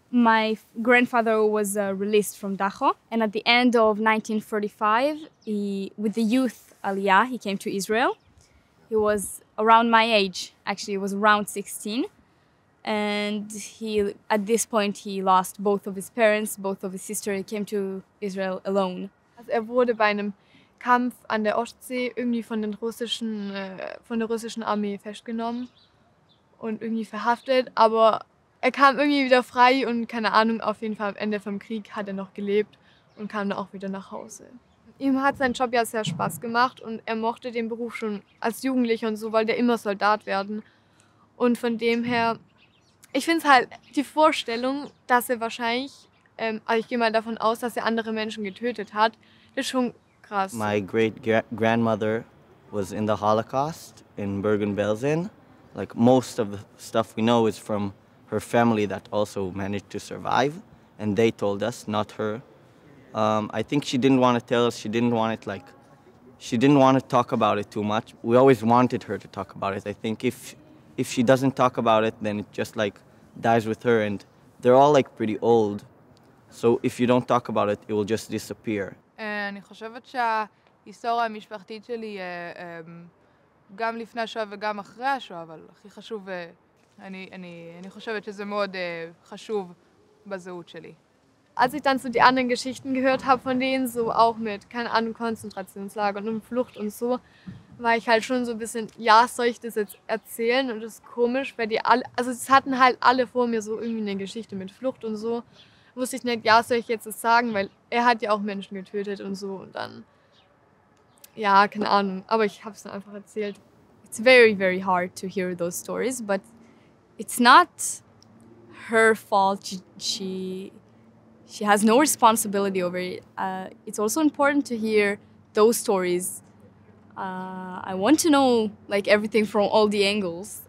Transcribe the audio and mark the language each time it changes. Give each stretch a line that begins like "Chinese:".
English: My grandfather was released from Dachau, and at the end of 1945, with the youth Aliyah, he came to Israel. He was around my age, actually, he was around 16. And he, at this point, he lost both of his parents, both of his sisters. He came to Israel alone.
German: Wurde bei einem Kampf an der Ostsee irgendwie von der russischen Armee festgenommen und irgendwie verhaftet, aber kam irgendwie wieder frei und keine Ahnung, auf jeden Fall am Ende vom Krieg hat noch gelebt und kam dann auch wieder nach Hause. Ihm hat sein Job ja sehr Spaß gemacht und mochte den Beruf schon als Jugendlicher und so, wollte er immer Soldat werden. Und von dem her, ich finde es halt die Vorstellung, dass er wahrscheinlich, also ich gehe mal davon aus, dass er andere Menschen getötet hat, das ist schon krass.
English: My great grandmother was in the Holocaust in Bergen-Belsen. Like most of the stuff we know is from her family that also managed to survive, and they told us, not her. I think she didn't want to tell us, she didn't want to talk about it too much. We always wanted her to talk about it. I think if she doesn't talk about it, then it just like dies with her, and they're all like pretty old. So if you don't talk about it, it will just disappear.
Hebrew: אני חושבת שההיסטוריה המשפחתית שלי, גם לפני השואה וגם אחרי השואה, אבל הכי חשוב, אני חושבת שזה מאוד חשוב בזהות שלי.
German: Als ich dann so die anderen Geschichten gehört habe von denen, so auch mit, keine Ahnung, Konzentrationslager und Flucht und so, war ich halt schon so ein bisschen, ja, soll ich das jetzt erzählen? Und das ist komisch, weil die alle, also es hatten halt alle vor mir so irgendwie eine Geschichte mit Flucht und so. Wusste ich nicht, ja, soll ich jetzt das sagen, weil er hat ja auch Menschen getötet und so. Und dann, ja, keine Ahnung, aber ich habe es dann einfach erzählt.
English: It's very, very hard to hear those stories, but it's not her fault. She has no responsibility over it. It's also important to hear those stories. I want to know like everything from all the angles.